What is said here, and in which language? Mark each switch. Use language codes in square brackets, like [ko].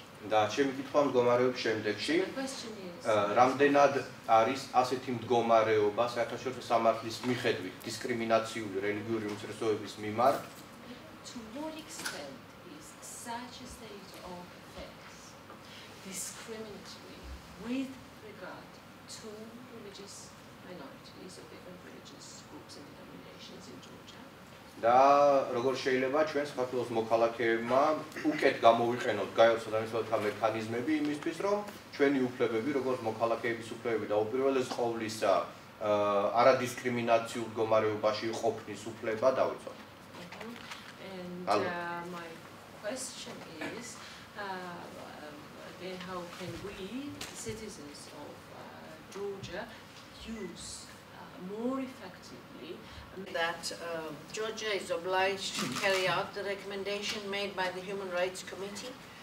[ka] და ჩემი კითხვა მდგომარეობს შემდეგში. რამდენად არის ასეთი მდგომარეობა საქართველოს სამართლის მიხედვით დისკრიმინაციული რელიგიური უმცირესობების მიმართ? [en] To what extent is such a state of affairs discriminatory with regard to religious minorities of different religious groups and denominations in Georgia? [ka] და როგორ შეიძლება ჩვენ საქართველოს მოქალაქეებმა უკეთ გამოვიყენოთ გაეროს ადამიანთა მექანიზმები იმისთვის, რომ ჩვენი უფლებები, როგორც მოქალაქეების უფლებები და უპირველეს ყოვლისა არადისკრიმინაციულ მდგომარეობაში ყოფნის უფლება დავიცვათ. [en] And my question is again, how can we citizens of Georgia use more effectively that Georgia is obliged to carry out the recommendation made by the Human Rights Committee.